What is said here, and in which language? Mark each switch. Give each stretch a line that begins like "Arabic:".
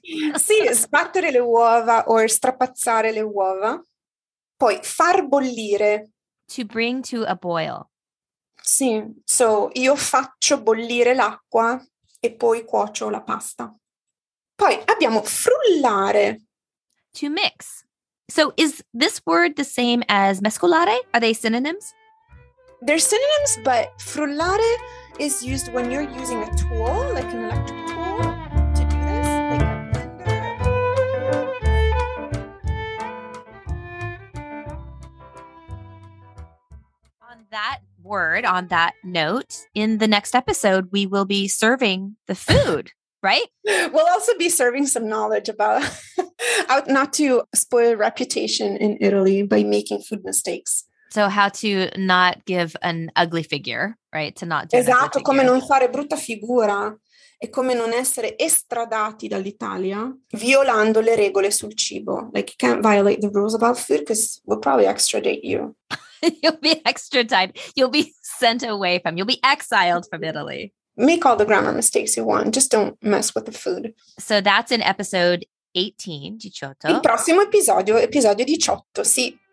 Italian: Sì, sbattere le uova or strapazzare le uova. Poi, far bollire.
English: To bring to a boil.
Italian: Sì, so io faccio bollire l'acqua e poi cuocio la pasta. Poi abbiamo frullare.
English: To mix. So is this word the same as mescolare? Are they synonyms? They're synonyms, but frullare is used when you're using a tool, like an electric tool, to do this, like a blender. On that word, on that note, in the next episode, we will be serving the food, right? We'll also be serving some knowledge about how not to spoil reputation in Italy by making food mistakes. So how to not give an ugly figure, right? To not do
Italian: esatto, come non fare brutta figura e come non essere estradati dall'Italia violando le regole sul cibo.
English: Like you can't violate the rules about food because we'll probably extradite you. You'll be extradited. You'll be sent away from, you'll be exiled from Italy. Make all the grammar mistakes you want. Just don't mess with the food. So that's in episode 18, 18.
Italian: Il prossimo episodio, episodio 18, sì.